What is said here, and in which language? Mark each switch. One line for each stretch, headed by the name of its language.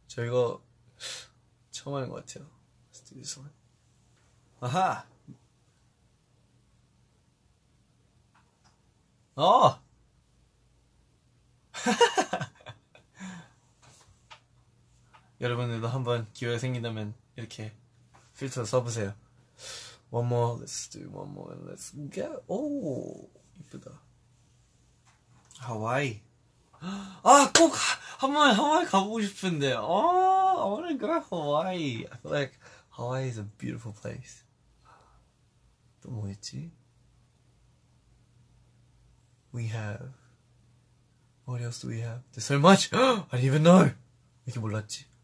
Korean: 저희가 처음 하는 것 같아요. 스튜디오에서. 아하. 어. 여러분들도 한번 기회가 생긴다면 이렇게 필터 써보세요.
English: One more, let's do one more, and let's get.
Korean: 오, 이쁘다. 하와이. 아, 꼭 한번 가보고 싶은데.
English: 아, I wanna go to Hawaii. I feel like Hawaii is a beautiful place.
Korean: 또 뭐였지?
English: We have. What else do we have? There's so much. I didn't even know.
Korean: 이렇게 몰랐지.